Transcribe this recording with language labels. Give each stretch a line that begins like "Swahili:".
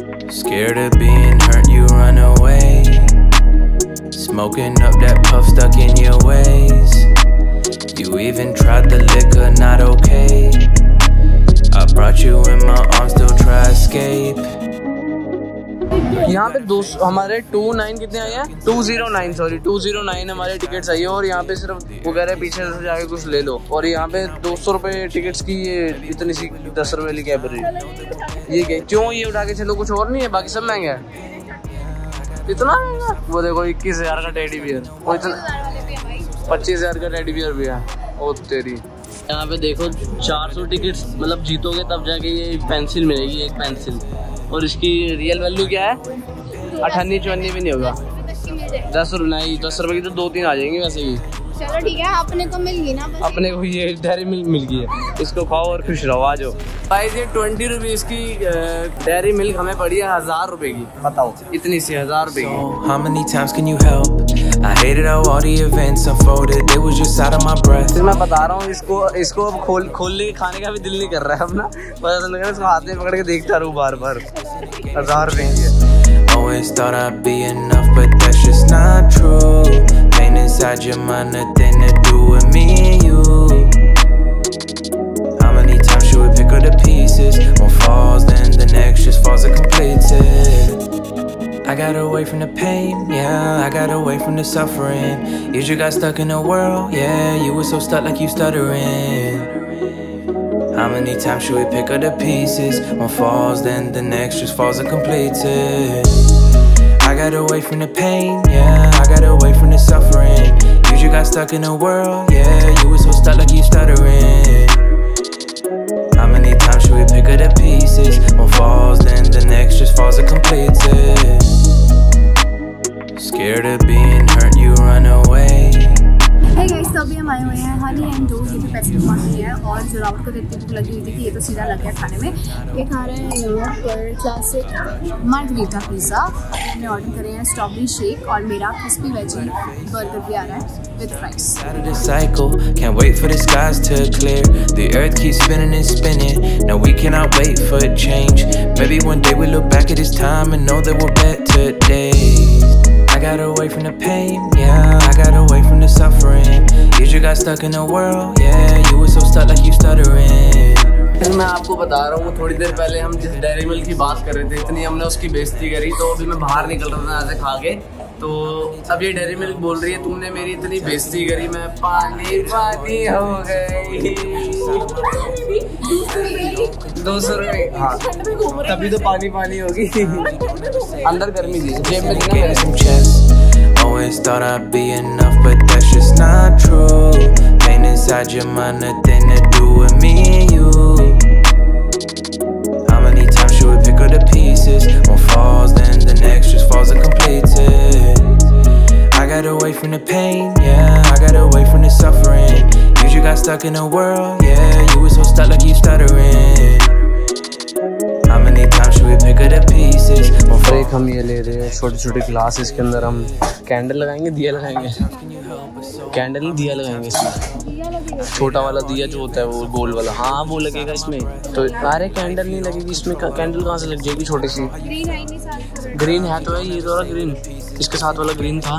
English: Scared of being hurt, you run away. Smoking up that puff stuck in your ways. You even tried the liquor, not okay. I brought you in my arms, still try escape.
Hindi: यहाँ पे दो हमारे 29 कितने आए हैं 209 sorry 209 हमारे tickets I है और यहाँ पे सिर्फ वो कह रहे हैं पीछे से जाके कुछ ले लो और यहाँ पे 200 रुपए टिकट्स की ये इतनी सी 10 रुपए वाली कैब रही ये क्या क्यों ये उठा के चलो कुछ और नहीं है बाकी सब महंगा है इतना महंगा वो देखो 21,000 का टेडी बियर और इतना 25,000 का टेडी बियर भी है ओ तेरी यहाँ पे देखो 400 टिकट्स मतलब जीतोगे तब जाके ये पेंसिल मिलेगी एक पेंसिल और इसकी रियल वैल्यू क्या है 98-99 भी नहीं होगा 10 रुपए की तो 2-3 आ जाएंगे वैसे ही चलो ठीक है अपने को मिल गई ना बस अपने को ये डेयरी मिल्क मिल गई है इसको खाओ और खुश रहो आज गाइस ये 20 रुपए इसकी डेयरी मिल्क हमें पड़ी है 1000 रुपए की बताओ इतनी सी 1000 रुपए की
English: How many times can you help I hated how all the events unfolded. It was just out of my breath.
Hindi: फिर मैं बता रहा हूँ इसको अब खोल के खाने का भी दिल नहीं कर रहा है अपना पता चल गया इसको हाथ में पकड़ के देखता रहूँ बार बार हजार रुपये
English: Always thought I'd be enough, but that's just not true. Pain inside your mind, nothing to do with me and you. How many times should we pick up the pieces? One falls, then the next just falls and completes it. I got away from the pain, yeah, I got away from the suffering. You just got stuck in a whirl, yeah, you were so stuck like you stuttering. How many times should we pick up the pieces? One falls, then the next just falls and completes it. I got away from the pain, yeah, I got away from the suffering. You just got stuck in a whirl, yeah, you were so stuck like you stuttering. How many times should we pick up the pieces? One falls, then the next just falls and completes it. Scared of being hurt, you run away. Hey guys,
Hindi: तो अभी हम आए हुए हैं honey and जो ये पैसे कमा रही है और जो रावत को देखते भूख लगी हुई थी कि ये तो सीधा लग गया खाने में ये खा रहे हैं यहाँ पर क्लासिक मार्गरिटा पिज्ज़ा हमने ऑर्डर करे हैं स्ट्रॉबेरी शेक और मेरा क्रिस्पी वेजी बर्गर भी आ रहा है With
English: Out of the cycle, can't wait for the skies to clear. The earth keeps spinning and spinning. No, we cannot wait for a change. Maybe one day we look back at this time and know that we're better days. I got away from the pain, yeah. I got away from the suffering. You just got stuck in a whirl, yeah. You were so stuck like you stuttering.
Hindi: फिर मैं आपको बता रहा हूँ थोड़ी देर पहले हम जिस डेयरी मिल्क की बात कर रहे थे इतनी हमने उसकी बेइज्जती करी तो अभी मैं बाहर निकल रहा था ऐसे खा के तो अब ये डेयरी मिल्क बोल रही है तुमने मेरी इतनी बेइज्जती करी मैं पानी पानी हो गई 200 रुपए हाँ तभी तो पानी पानी होगी अंदर गर्मी थी जेब में
English: Always thought I'd be enough, but that's just not true. Pain inside your mind, nothing to do with me and you. How many times should we pick up the pieces? One falls, then the next just falls and completes it. I got away from the pain, yeah. I got away from the suffering. You just got stuck in a whirl, yeah. You were so stuck like you stuttering. How many times should we pick up the pieces?
Hindi: एक हम ये ले रहे हैं छोटे छोटे glasses के अंदर हम कैंडल लगाएंगे दिया लगाएंगे कैंडल नहीं दिया लगाएंगे इसमें छोटा वाला दिया जो होता है वो गोल वाला हाँ वो लगेगा इसमें तो अरे कैंडल नहीं लगेगी इसमें कैंडल कहाँ से लग जाएगी छोटी सी ग्रीन है तो ये थोड़ा ग्रीन इसके साथ वाला ग्रीन था